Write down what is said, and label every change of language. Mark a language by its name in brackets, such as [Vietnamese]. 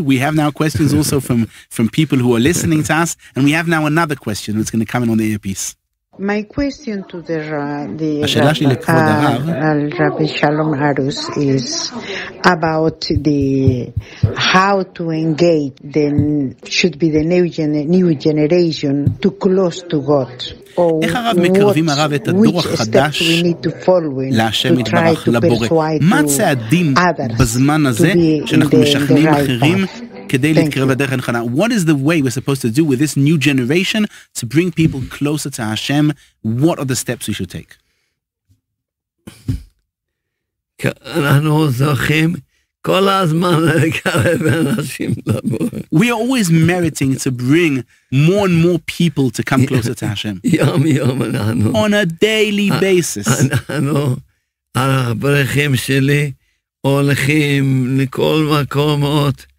[English] We have now questions also from people who are listening to us, and we have now another question that's going to come in on the earpiece. My question to the Rabbi Shalom Harus is about the how to engage the should be the new generation to close to God. [Hebrew] איך הרב מקרבים הרב את הדור החדש להשם יתברך לבורא? מה צעדים בזמן הזה שאנחנו משכנעים אחרים כדי להתקרב לדרך הנכונה? [English] What is the way we're supposed to do with this new generation to bring people closer to Hashem? What are the steps we should take? [Hebrew] אנחנו זוכים כל הזמן לקרב אנשים לבורא. [English] We are always meriting to bring more and more people to come closer to Hashem. [Hebrew] יום יום אנחנו. [English] On a daily basis. [Hebrew] אנחנו, הברכים שלי, הולכים לכל מקומות.